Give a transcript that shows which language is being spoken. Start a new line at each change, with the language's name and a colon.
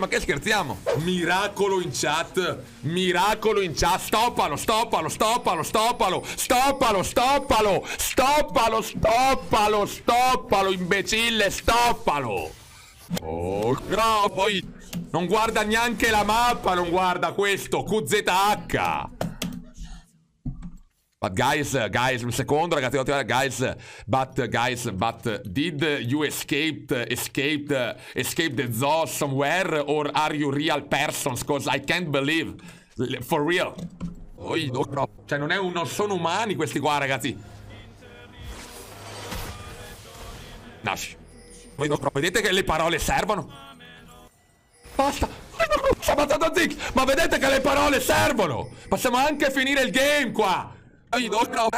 Italian: Ma che scherziamo? Miracolo in chat. Miracolo in chat. Stoppalo, stoppalo, stoppalo, stoppalo. Stoppalo, stoppalo. Stoppalo, stoppalo, stoppalo, imbecille, stoppalo. Oh, no, poi non guarda neanche la mappa. Non guarda questo QZH.
English: But guys, guys,
Italian: un secondo, ragazzi,
English: guys, but did you escape the zoo somewhere, or are you real persons? Cause I can't believe, for real.
Italian: Oi, no, no. Cioè, non è un, non sono umani questi qua, ragazzi. Nash. Voi non proprio, vedete che le parole servono? Basta! Ci ha ammazzato Zig! Ma vedete che le parole servono! Possiamo anche finire il game qua! Oi, no, no.